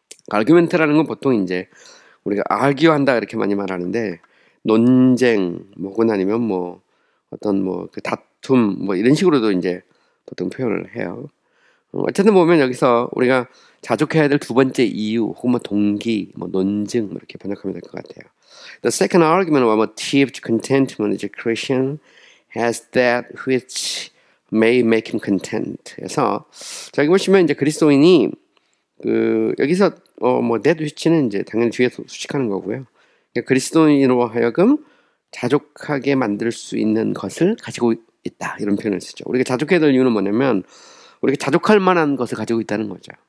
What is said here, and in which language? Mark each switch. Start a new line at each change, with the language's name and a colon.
Korean: 아르규먼트라는 건 보통 이제 우리가 아르기한다 이렇게 많이 말하는데 논쟁 혹은 아니면 뭐 어떤 뭐그 다툼 뭐 이런 식으로도 이제 보통 표현을 해요. 어쨌든 보면 여기서 우리가 자족해야 될두 번째 이유 혹은 뭐 동기 뭐 논쟁 뭐 이렇게 번역하면 될것 같아요.
English: The second argument of achieved contentment is a Christian has that which may make him content.
Korean: 해서 자기 보시면 이제 그리스도인이 그 여기서 뭐
English: that which
Korean: 는 이제 당연히 뒤에서 수식하는 거고요. 그리스도인으로 하여금 자족하게 만들 수 있는 것을 가지고 있다. 이런 표현을 쓰죠. 우리가 자족해야 될 이유는 뭐냐면 우리가 자족할 만한 것을 가지고 있다는 거죠.